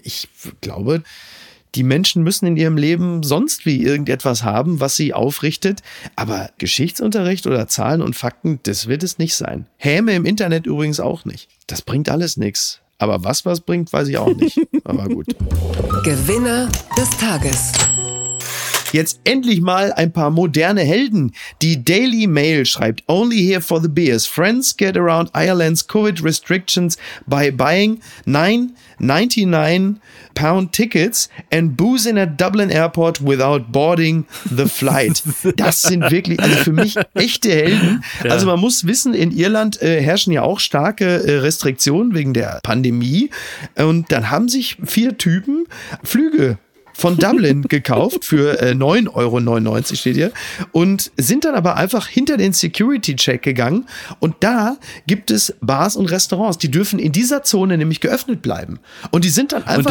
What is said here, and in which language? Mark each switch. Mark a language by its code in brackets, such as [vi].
[de] Ich glaube, die Menschen müssen in ihrem Leben sonst wie irgendetwas haben, was sie aufrichtet, aber Geschichtsunterricht oder Zahlen und Fakten, das wird es nicht sein. Häme im Internet übrigens auch nicht. Das bringt alles nichts. Aber was bringt, weiß ich auch nicht. Aber gut. Gewinner des Tages. Jetzt endlich mal ein paar moderne Helden. Die Daily Mail schreibt, [en] only here for the beers. Friends get around Ireland's COVID restrictions by buying 9.99 pound tickets and boozing at Dublin Airport without boarding the flight. [de] Das sind wirklich, also für mich echte Helden. Ja. Also man muss wissen, in Irland herrschen ja auch starke Restriktionen wegen der Pandemie. Und dann haben sich vier Typen Flüge von Dublin gekauft für 9,99 Euro steht hier und sind dann aber einfach hinter den Security-Check gegangen und da gibt es Bars und Restaurants, die dürfen in dieser Zone nämlich geöffnet bleiben und die sind dann einfach...